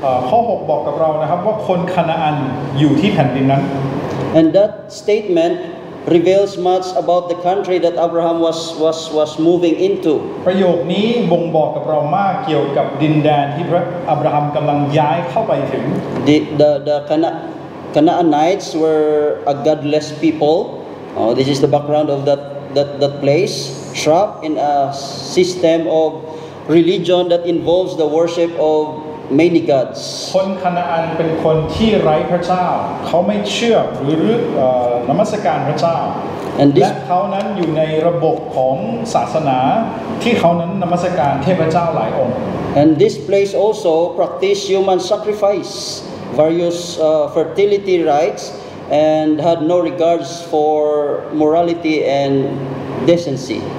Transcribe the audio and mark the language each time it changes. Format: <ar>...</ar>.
<th>ข้อ6บอกกับเรานะครับว่าคนคานาอันอยู่ที่แผ่นดินนั้น</th> <en>And that statement reveals much about the country that Abraham was moving into.</en> <th>ประโยคนี้บ่งบอกกับเรามากเกี่ยวกับดินแดนที่พระอับราฮัมกำลังย้ายเข้าไปถึง</th> <en>The Canaanites were a godless people. Oh, this is the background of that place. Trapped in a system of religion that involves the worship of many gods.</en> <th>คนคานาอันเป็นคนที่ไร้พระเจ้าเขาไม่เชื่อหรือนมัสการพระเจ้า</th> <en>And this,</en> <th>และเขานั้นอยู่ในระบบของศาสนาที่เขานั้นนมัสการเทพเจ้าหลายองค์</th> <en>And this place also practiced human sacrifice. Various fertility rites and had no regards for morality and decency.</en>